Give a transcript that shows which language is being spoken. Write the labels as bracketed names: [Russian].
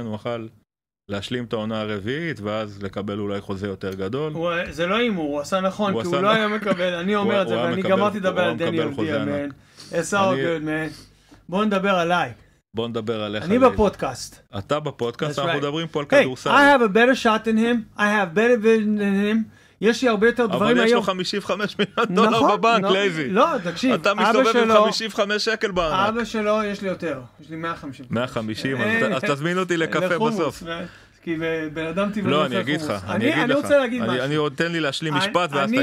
[Hebrew] הוא יכל להשלים את העונה הרביעית, ואז לקבל אולי חוזה יותר גדול. זה לא אימור, הוא עשה נכון, כי הוא לא היה מקבל, אני אומר את זה, ואני גמרתי לדבר על דניאל דיאמן. [English] It's all good, man. [Hebrew] בוא נדבר עליי. בוא נדבר עליך. אני בפודקאסט. אתה בפודקאסט, אנחנו מדברים פה על כדורסל. [English] Hey, I have a better shot than him. I have better vision than him. [Hebrew] יש לי הרבה יותר דברים היום. אבל יש לו 55 מיליון דולר בבנק, לייזי. לא, תקשיב. אתה מסתובב עם 55 שקל בענק. אבא שלו יש לי יותר. יש לי 150. 150, אז תזמין אותי לקפה בסוף. כי בן אדם טבעי... לא, אני אגיד לך. אני רוצה להגיד משהו. אני עוד תן לי להשלים משפט ואז תגיד.